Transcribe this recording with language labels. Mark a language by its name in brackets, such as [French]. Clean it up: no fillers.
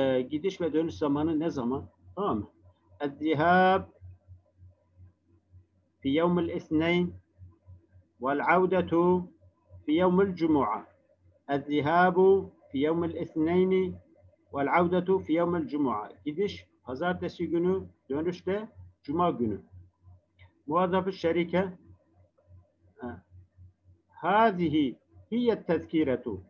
[Turkish] Gidiş ve dönüş zamanı ne zaman? Tamam. Ezdihab [Arabic] في يوم الاثنين والعودة في يوم الجمعة. الذهاب في يوم الاثنين والعودة في يوم الجمعة. [Turkish] Gidiş pazartesi günü, dönüş de cuma günü. Muhatap şirkete [Arabic] هذه هي التذكرة.